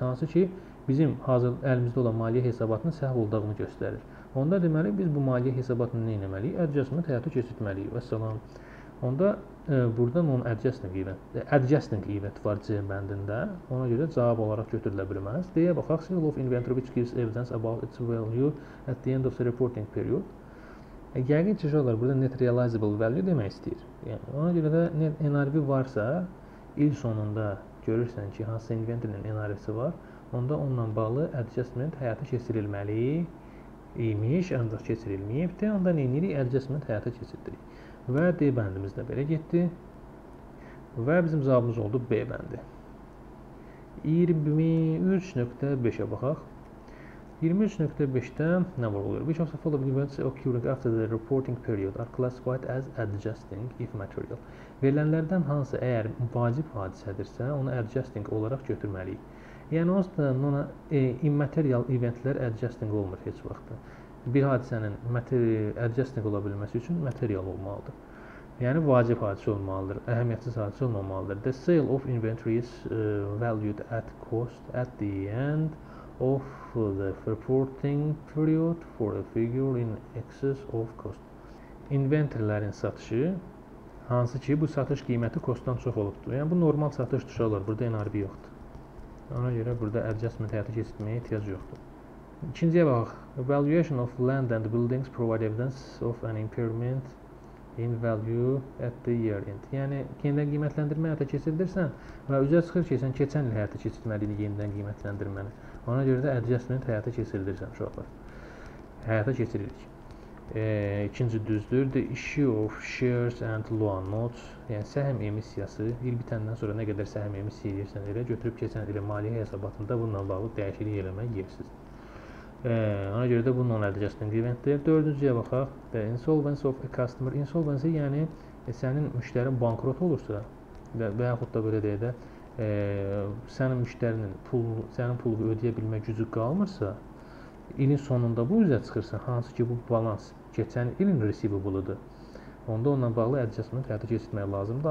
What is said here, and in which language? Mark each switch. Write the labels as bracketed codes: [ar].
[az] Hansı ki bizim hazır əlimizdə olan maliyyə hesabatının səhv olduğunu göstərir. Onda deməli biz bu maliyyə hesabatını nə etməliyik? Adjustment həyata keçirməliyik. Və salam. Onda burada non adjusting event var C bəndində. Ona görə cavab olaraq götürülə bilməz. Deyə baxaq, [en] sale of inventory which gives evidence about its value at the end of the reporting period. [az] Yəqin ki, şeylər burada net realizable value demək istəyir. Yəni, ona görə də NRV varsa, il sonunda görürsən ki, hansı inventorinin NRV-si var, onda onunla bağlı adjustment həyata keçirilməli imiş, ancaq keçirilməyib də, onda nə edirik? Adjustment həyata keçirdirik. Və D bəndimiz də belə getdi. Və bizim cavabımız oldu B bəndi. 23.5-ə baxaq. 23.5-də nə var olur? [en] Which of the following events occurring after the reporting period are classified as adjusting if material? [az] Verilənlərdən hansı əgər vacib hadisədirsə, onu adjusting olaraq götürməliyik. Yəni, onda ona immaterial eventlər adjusting olmur heç vaxtda. Bir hadisənin adjusting ola bilməsi üçün material olmalıdır. Yəni, vacib hadisə olmalıdır, əhəmiyyətsiz hadisə olmamalıdır. [en] The sale of inventory is valued at cost at the end of the reporting period for a figure in excess of cost. [az] Inventorların satışı, hansı ki bu satış qiyməti kostdan çox olubdur. Yəni bu normal satış düşərlər, burada NRV yoxdur. Ona görə burada adjustment həyata keçirməyə ehtiyac yoxdur. İkinciyə bax, [en] valuation of land and buildings provide evidence of an impairment in value at the year end. [az] Yəni yenidən qiymətləndirmə həyata keçirilirsən və üzə çıxır ki, sən keçən il həyata keçirməliyini yenidən qiymətləndirməni. Ona görə də adjustment həyata keçirilirsən, uşaqlar. Həyata keçiririk. İkinci düzdür. [en] The issue of shares and loan notes. [az] Yəni səhm emissiyası. İl bitəndən sonra nə qədər səhm emissiya edirsən, elə götürüb keçən ilə maliyyə hesabatında bununla bağlı dəyişiklik eləmək yersiz. Ona görə də bununla adjustment eventdir. Dördüncüyə baxaq. [en] The insolvency of a customer. [az] Insolvency yəni sənin müştərin bankrot olursa və yaxud da belə deyə də sənin müştərinin sənin pulu ödəyə bilmək gücü qalmırsa, ilin sonunda bu üzə çıxırsa, hansı ki bu balans keçən ilin receivable-ıdır, onda onunla bağlı adjustment həyata keçirmək lazımdır.